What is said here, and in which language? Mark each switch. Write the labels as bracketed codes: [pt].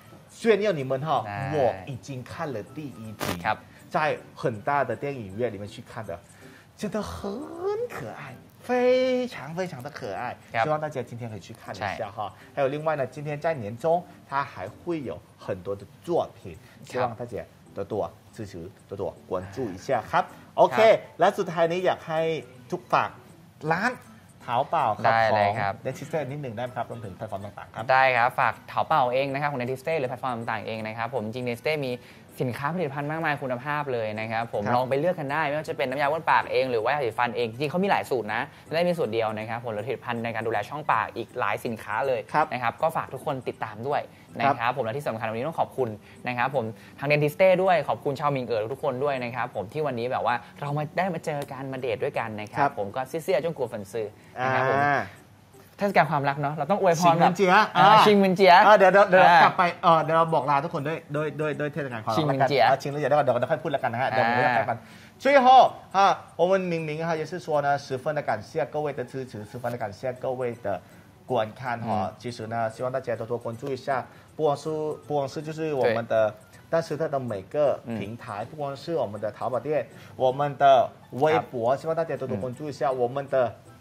[zh] 炫耀你们哈我已经看了第一集在很大的电影院里面去看的真的很可爱非常非常的可爱希望大家今天可以去看一下哈还有另外呢今天在年终他还会有很多的作品希望大家多多支持多多关注一下 [th] ครับโอเคและสุดท้ายนี้อยากให้ทุกฝากร้านเถาเป่าครับ ได้เลยครับ Netisday นิดหนึ่งได้ครับรวมถึงแพลตฟอร์มต่างๆครับ ได้ครับฝากเถาเป่าเองนะครับของ Netisday หรือแพลตฟอร์มต่างๆเองนะครับผมจริง Netisday มีสินค้าผลิตภัณฑ์มากมายคุณภาพเลยนะครับผมลองไปเลือกกันได้ไม่ว่าจะเป็นน้ำยาบ้วนปากเองหรือว่าผลิตภัณฑ์เองจริงเขามีหลายสูตรนะไม่ได้มีสูตรเดียวนะครับผลิตภัณฑ์ในการดูแลช่องปากอีกหลายสินค้าเลยนะครับก็ฝากทุกคนติดตามด้วยนะครับผมและที่สำคัญวันนี้ต้องขอบคุณนะครับผมทางเดนทิสเต้ด้วยขอบคุณชาวมิงเอ๋อทุกคนด้วยนะครับผมที่วันนี้แบบว่าเรามาได้มาเจอกันมาเดทด้วยกันนะครับผมก็เสียจงกลัวฝันซื้อนะครับเทศกาลความรักเนาะเราต้องอวยพร ชิงมินเจีย ชิงมินเจีย เดี๋ยวกลับไปเดี๋ยวเราบอกลาทุกคนด้วยเทศกาลความรัก ชิงมิน เจีย ชิงมินเจียเดี๋ยวเราค่อยพูดแล้วกันนะฮะเดี๋ยวเราพูดแล้วกันช่วยฮะฮะ [zh] 我们明明哈也是说呢十分的感谢各位的支持十分的感谢各位的观看哈其实呢希望大家多多关注一下不光是就是我们的但是它的每个平台不光是我们的淘宝店我们的微博希望大家多多关注一下我们的